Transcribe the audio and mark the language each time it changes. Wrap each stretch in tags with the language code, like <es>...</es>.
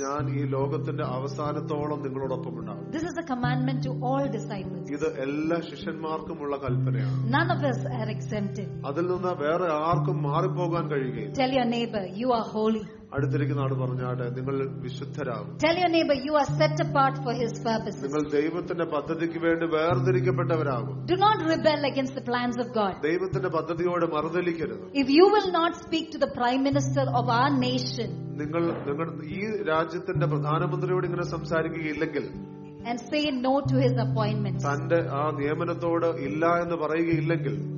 <ml>ഞാൻ ഈ ലോകത്തിന്റെ അവസാനത്തോളം നിങ്ങളോടൊപ്പം ഉണ്ടാകും.</ml> <en>this is a commandment to all disciples</en> <ml>ഇത് എല്ലാ ശിഷ്യന്മാർക്കുമുള്ള കൽപ്പനയാണ്.</ml> <en>none of us are exempted</en> <ml>അതിൽ നിന്ന് വേറെ ആർക്കും മാറിപ്പോകാൻ കഴിയുകയില്ല.</ml> <en>tell your neighbour you are holy</en> <ml>അടുത്തിരിക്കുന്ന ആൾ പറഞ്ഞാട്ടെ നിങ്ങൾ വിശുദ്ധരാകും.</ml> <en>Tell your neighbor you are set apart for his purpose.</en> <ml>നിങ്ങൾ ദൈവത്തിന്റെ പദ്ധതിക്ക് വേണ്ടി വേർതിരിക്കപ്പെട്ടവരാകും.</ml> <en>Do not rebel against the plans of God.</en> <ml>ദൈവത്തിന്റെ പദ്ധതിയോട് മറുതലിക്കരുത്.</ml> <en>If you will not speak to the prime minister of our nation.</en> <ml>നിങ്ങൾ നിങ്ങളുടെ ഈ രാജ്യത്തിന്റെ പ്രധാനമന്ത്രിയോട് ഇങ്ങനെ സംസാരിക്കുകയില്ലെങ്കിൽ</ml> <en>and say no to his appointments.</en> <ml>തന്റെ ആ നിയമനത്തോട് ഇല്ല എന്ന് പറയുകയില്ലെങ്കിൽ</ml>